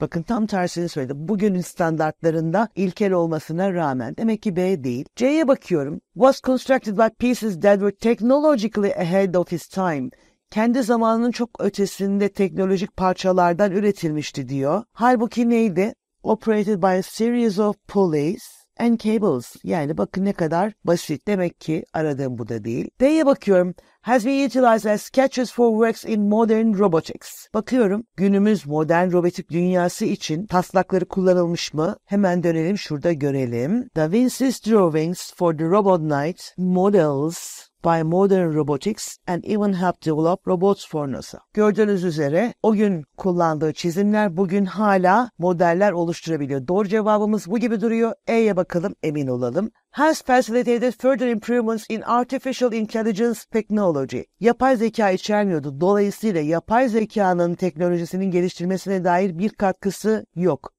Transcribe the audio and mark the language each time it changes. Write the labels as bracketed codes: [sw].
[tr] Bakın tam tersini söyledi. Bugünün standartlarında ilkel olmasına rağmen. Demek ki B değil. C'ye bakıyorum. [en] Was constructed by pieces that were technologically ahead of his time. [tr] Kendi zamanının çok ötesinde teknolojik parçalardan üretilmişti diyor. Halbuki neydi? [en] Operated by a series of pulleys and cables. [tr] Yani bakın ne kadar basit. Demek ki aradığım bu da değil. D'ye bakıyorum. [en] Has been utilized as sketches for works in modern robotics. [tr] Bakıyorum. Günümüz modern robotik dünyası için taslakları kullanılmış mı? Hemen dönelim. Şurada görelim. [en] Da Vinci's drawings for the robot knight models by modern robotics and even helped develop robots for NASA. [tr] Gördüğünüz üzere o gün kullandığı çizimler bugün hala modeller oluşturabiliyor. Doğru cevabımız bu gibi duruyor. E'ye bakalım, emin olalım. [en] Has facilitated further improvements in artificial intelligence technology. [tr] Yapay zeka içermiyordu. Dolayısıyla yapay zekanın teknolojisinin geliştirmesine dair bir katkısı yok.